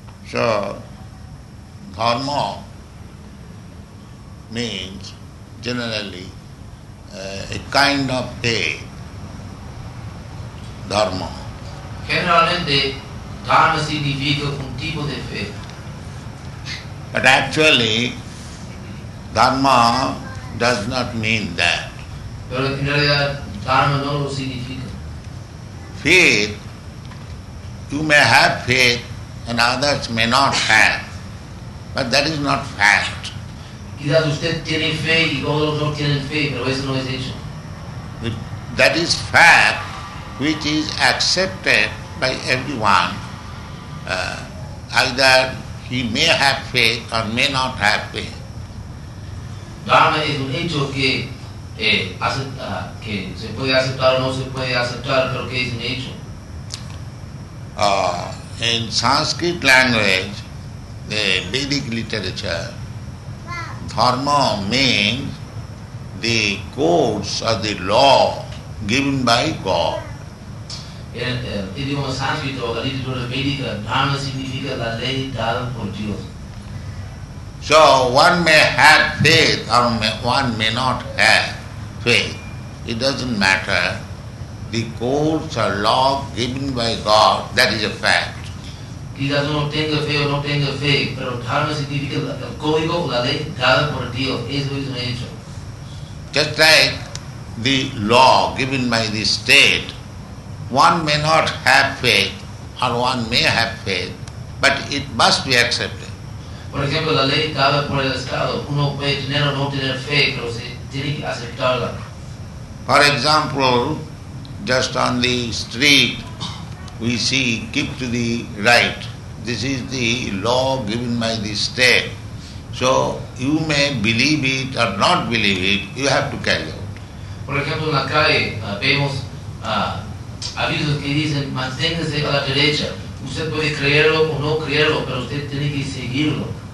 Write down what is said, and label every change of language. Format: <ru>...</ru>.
<en>So, dharma means generally a kind of faith. Dharma.</en> <es>Generalmente, dharma significa un tipo de fe.</es> <en>But actually, dharma does not mean that.</en> <es>Pero en realidad, dharma no lo significa.</es> <en>Faith. You may have faith and others may not have, but that is not fact.</en> <es>Quizás usted tiene fe y otros no tienen fe, pero eso no es hecho.</es> <en>That is fact which is accepted by everyone. Either he may have faith or may not have faith.</en> <es>Dharma es un hecho que se puede aceptar o no se puede aceptar, pero que es un hecho.</es> <en>In Sanskrit language, the Vedic literature, dharma means the codes or the law given by God.</en> <es>En el idioma sánscrito, la literatura védica, dharma significa la ley dada por Dios.</es> <en>So one may have faith or one may not have faith. It doesn't matter. The codes or law given by God, that is a fact.</en> <es>Quizás uno tenga fe o no tenga fe, pero dharma significa el código o la ley dada por Dios. Eso es un hecho.</es> <en>Just like the law given by the state, one may not have faith or one may have faith, but it must be accepted.</en> <es>Por ejemplo, la ley dada por el Estado, uno puede tener o no tener fe, pero se tiene que aceptarla.</es> <en>For example, just on the street, we see, keep to the right, this is the law given by the state. So you may believe it or not believe it, you have to carry out.</en> <es>Por ejemplo, en la calle vemos avisos que dicen manténgase a la derecha. Usted puede creerlo o no creerlo, pero usted tiene que seguirlo.</es>